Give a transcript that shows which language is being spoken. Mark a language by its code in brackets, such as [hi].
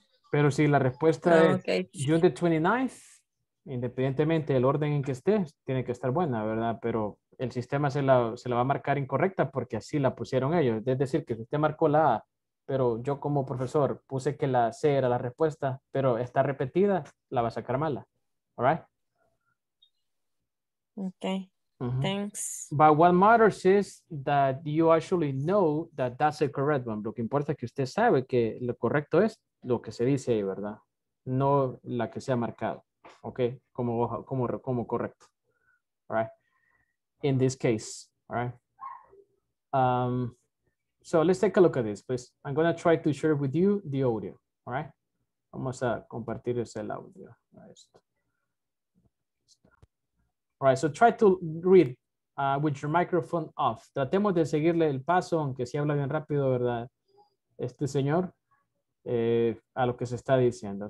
[es] Pero si la respuesta es June the 29th, independientemente del orden en que esté, tiene que estar buena, ¿verdad? Pero el sistema se la va a marcar incorrecta porque así la pusieron ellos. Es decir, que usted marcó la A, pero yo como profesor puse que la C era la respuesta, pero está repetida, la va a sacar mala. [en] All right? Okay. Mm-hmm. Thanks. But what matters is that you actually know that that's the correct one. [es] Lo que importa es que usted sabe que lo correcto es lo que se dice ahí, ¿verdad? No la que se ha marcado. Okay. Como correcto. [en] All right. In this case. All right. So let's take a look at this, please. I'm going to try to share with you the audio. All right. [es] Vamos a compartir ese audio. [en] All right, so try to read with your microphone off. [es] Tratemos de seguirle el paso, aunque sí habla bien rápido, ¿verdad? Este señor, a lo que se está diciendo.